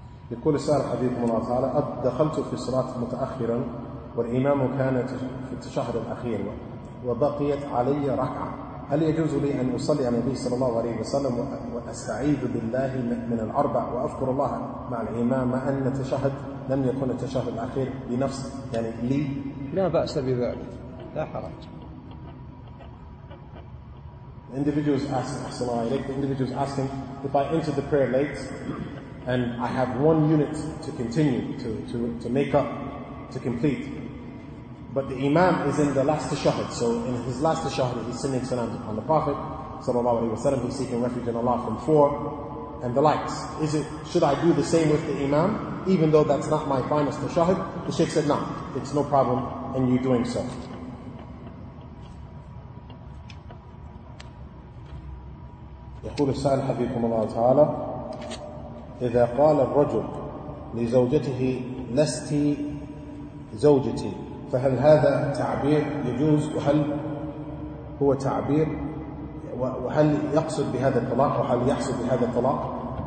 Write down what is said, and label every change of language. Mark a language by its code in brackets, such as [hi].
[ar] يقول السائل حبيبنا الله تعالى دخلت في الصلاة متأخرا والإمام كان في التشهد الأخير وبقيت علي ركعة هل يجوز لي أن أصلي على النبي صلى الله عليه وسلم وأستعيذ بالله من الأربع وأذكر الله مع الإمام مع أن التشهد لم يكن التشهد الأخير بنفس يعني لي لا بأس بذلك لا حرج. [en] Individuals asking, assalamu alaikum, the individuals asking, if I enter the prayer late and I have one unit to continue, to make up, to complete. But the Imam is in the last tashahud. So in his last tashahud, he's sending salam upon the Prophet sallallahu alayhi wa sallam, he's seeking refuge in Allah from four, and the likes. Should I do the same with the Imam, even though that's not my finest tashahud? The Shaykh said, no, it's no problem in you doing so. [ar] يقول السائل حفظكم الله تعالى إذا قال الرجل لزوجته لست زوجتي فهل هذا تعبير يجوز وهل هو تعبير وهل يقصد بهذا الطلاق وهل يحصل بهذا الطلاق؟